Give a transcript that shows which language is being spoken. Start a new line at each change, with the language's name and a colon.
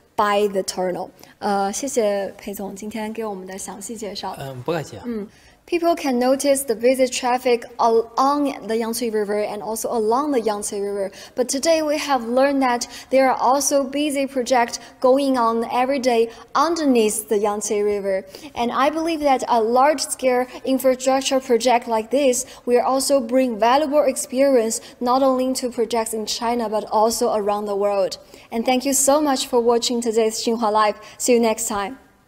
English: By the tunnel.
Chinese: 谢谢裴总今天给我们的详细介绍。不客气。
English: People can notice the busy traffic on the Yangtze River and also along the Yangtze River. But today we have learned that there are also busy projects going on every day underneath the Yangtze River. And I believe that a large-scale infrastructure project like this will also bring valuable experience not only to projects in China but also around the world. And thank you so much for watching today's Xinhua Live. See you next time.